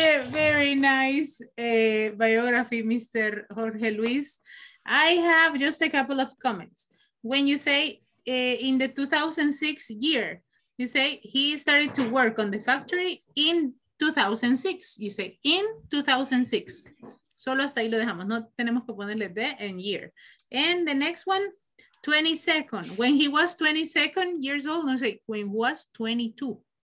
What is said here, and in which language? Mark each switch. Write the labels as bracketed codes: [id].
[en] Very, very nice biography, Mr. Jorge Luis. I have just a couple of comments. When you say in the 2006 year, you say he started to work on the factory in 2006. You say in 2006. [es] Solo hasta ahí lo dejamos. No tenemos que ponerle de en year. [en] And the next one, 22. When he was 22 years old, no say when was 22.